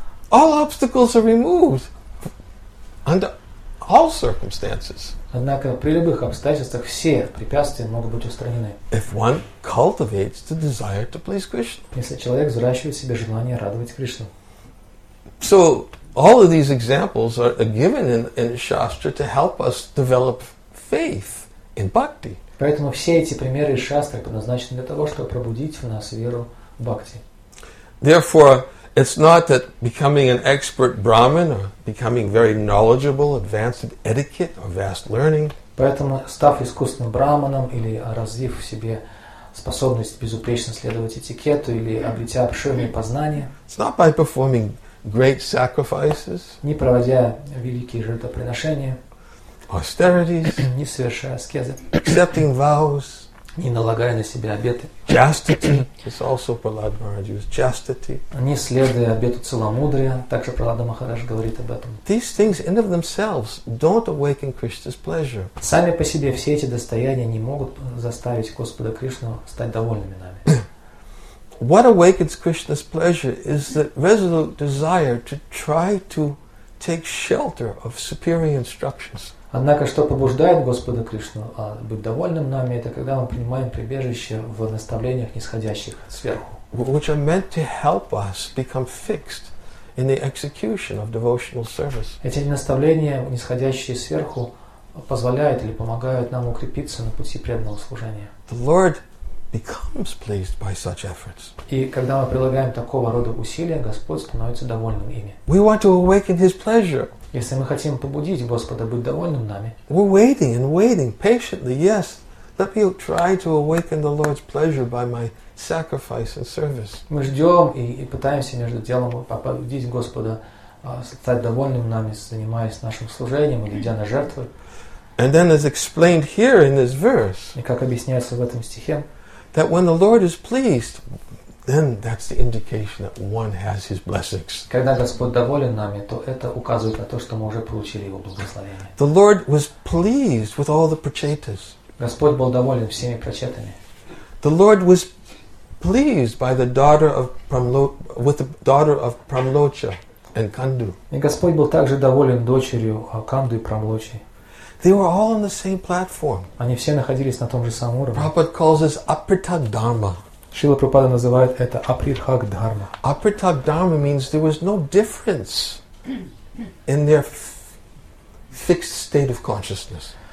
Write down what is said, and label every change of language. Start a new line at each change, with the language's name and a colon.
English: All obstacles are removed under all circumstances.
Russian: Однако при любых обстоятельствах все препятствия могут быть устранены.
English: If one cultivates the desire to please Krishna.
Russian: Если человек взращивает в себе желание радовать Кришну.
English: So all of these examples are given in Shastra to help us develop faith in bhakti.
Russian: Поэтому все эти примеры из Шастры предназначены для того, чтобы пробудить в нас веру в бхакти.
English: Therefore, it's not that becoming an expert Brahmin or becoming very knowledgeable, advanced in etiquette or vast learning.
Russian: Поэтому, став искусным брахманом или развив в себе способность безупречно следовать этикету или обретя обширные познания.
English: It's not by performing great sacrifices.
Russian: Не проводя великие жертвоприношения.
English: Austerities.
Russian: Не совершая аскезы.
English: Accepting vows.
Russian: не налагая на себя обеты.
English: Chastity is also Prahlad Maharaj used. Chastity.
Russian: Не следуя обету целомудрия, также Прахлада Махарадж говорит об этом.
English: These things in of themselves don't awaken Krishna's pleasure.
Russian: Сами по себе все эти достояния не могут заставить Господа Кришну стать довольными нами.
English: What awakens Krishna's pleasure is the resolute desire to try to take shelter of superior instructions.
Russian: Однако, что побуждает Господа Кришну быть довольным нами, это когда мы принимаем прибежище в наставлениях, нисходящих сверху.
English: Which are meant to help us become fixed in the execution of devotional service.
Russian: Эти наставления, нисходящие сверху, позволяют или помогают нам укрепиться на пути преданного служения.
English: The Lord becomes pleased by such efforts.
Russian: И когда мы прилагаем такого рода усилия, Господь становится довольным ими.
English: We want to awaken His pleasure.
Russian: Если мы хотим побудить Господа быть довольным нами,
English: we're waiting and waiting patiently. Yes, let me try to awaken the Lord's pleasure by my sacrifice and service.
Russian: Мы ждем и пытаемся между делом побудить Господа стать довольным нами, занимаясь нашим служением или идя на жертвы.
English: And then, as explained here in this verse,
Russian: и как объясняется в этом стихе,
English: that when the Lord is pleased, then that's the indication that one has His blessings.
Russian: Когда Господь доволен нами, то это указывает на то, что мы уже получили Его благословение.
English: The Lord was pleased with all the prachetas.
Russian: Господь был доволен всеми прачетами.
English: The Lord was pleased by the daughter of Pramlo, with the daughter of Pramlocha and Kandu.
Russian: И Господь был также доволен дочерью Канду и Прамлочи.
English: They were all on the same platform.
Russian: Они все находились на том же самом уровне.
English: Prabhupada calls this apritak dharma.
Russian: Шрила Прабхупада называет это апритхак дхарма.
English: Апритхак дхарма means there was no difference in their fixed state of consciousness.